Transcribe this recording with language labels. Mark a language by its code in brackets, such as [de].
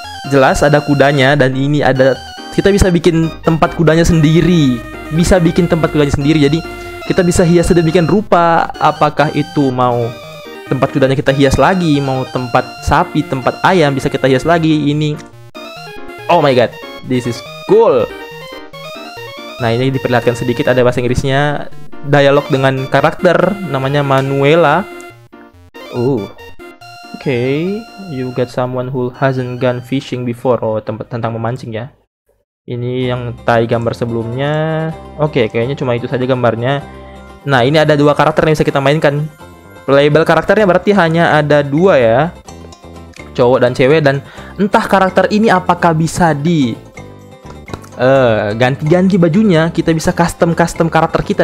[id] Jelas ada kudanya, dan ini ada, kita bisa bikin tempat kudanya sendiri. Bisa bikin tempat kudanya sendiri, jadi kita bisa hias sedemikian rupa. Apakah itu mau tempat kudanya kita hias lagi, mau tempat sapi, tempat ayam, bisa kita hias lagi. Ini, [en] oh my god, this is cool. [id] Nah, ini diperlihatkan sedikit, ada bahasa Inggrisnya, dialog dengan karakter namanya Manuela. [en] Okay, you got someone who hasn't gone fishing before. [id] Oh, tentang memancing ya. Ini yang tadi gambar sebelumnya. Okay, kayaknya cuma itu saja gambarnya. Nah, ini ada dua karakter yang bisa kita mainkan. Playable karakternya berarti hanya ada dua ya, cowok dan cewek. Dan entah karakter ini apakah bisa di ganti-ganti bajunya, kita bisa custom karakter kita.